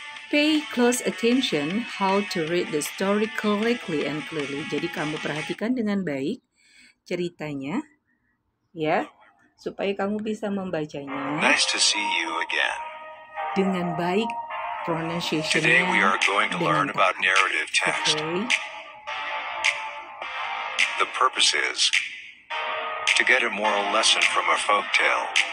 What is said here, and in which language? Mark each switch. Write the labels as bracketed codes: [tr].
[en] Pay close attention how to read the story correctly and clearly. [id] Jadi kamu perhatikan dengan baik ceritanya, ya, supaya kamu bisa membacanya. [en] Nice to see you again. [id] Dengan baik pronunciation. [en] Today we are going to learn about narrative text. Okay. The purpose is to get a moral lesson from a folk tale.